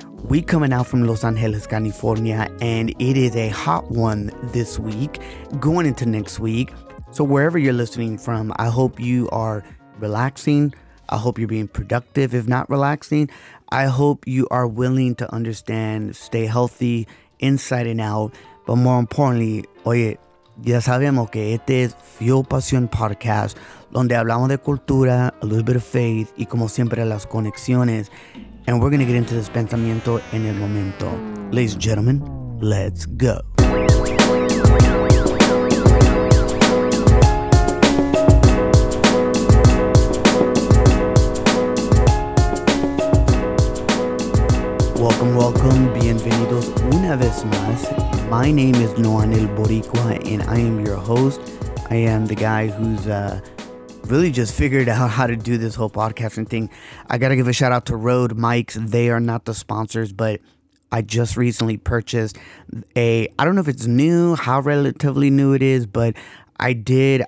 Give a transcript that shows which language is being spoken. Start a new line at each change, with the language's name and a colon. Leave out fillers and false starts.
English: We coming out from Los Angeles, California, and it is a hot one this week, going into next week. So wherever you're listening from, I hope you are relaxing. I hope you're being productive, if not relaxing. I hope you are willing to understand, stay healthy, inside and out. But more importantly,
Spanish: oye, ya sabemos que este es Fuel Pasión Podcast, donde hablamos de cultura,
English: a little bit of faith,
Spanish: y como siempre, las conexiones.
English: And we're going to get into this
Spanish: pensamiento en el momento.
English: Ladies and gentlemen, let's go. Welcome, welcome.
Spanish: Bienvenidos una vez más.
English: My name is Noanel Boricua, and I am your host. I am the guy who's really just figured out how to do this whole podcasting thing. I got to give a shout out to Rode Mics. They are not the sponsors, but I just recently purchased I don't know if it's new, how relatively new it is, but I did.